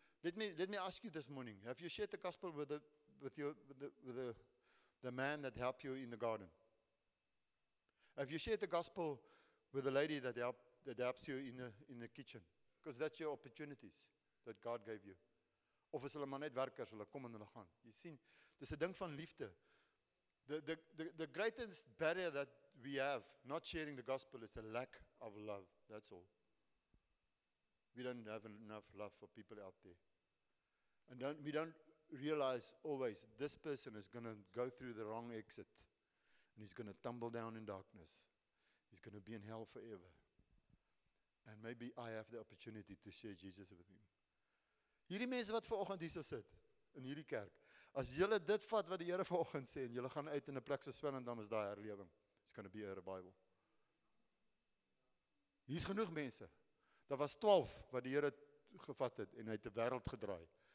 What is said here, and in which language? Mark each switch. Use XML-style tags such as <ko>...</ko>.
<en>Let me ask you this morning. Have you shared the gospel with the man that helped you in the garden? Have you shared the gospel with the lady that helps you in the kitchen? Because that's your opportunities that God gave you.</en> <af>Of is hulle maar net werkers, hulle kom en hulle gaan.</af> <en>You see,</en> <af>dis 'n ding van liefde.</af> <en>The greatest barrier that we have not sharing the gospel is a lack of love. That's all. We don't have enough love for people out there. And we don't realize always this person is going to go through the wrong exit and he's going to tumble down in darkness. He's going to be in hell forever. And maybe I have the opportunity to share Jesus with him.</en> <af>Hierdie mense wat vanoggend hier sit in hierdie kerk. As julle dit vat wat die Here vanoggend sê en julle gaan uit in 'n plek so swin en dan is daai herlewing.</af> <en>It's going to be a revival.</en> <af>Hier's genoeg mense. Daar was 12 wat die Here gevat het en hy het die wêreld gedraai.</af>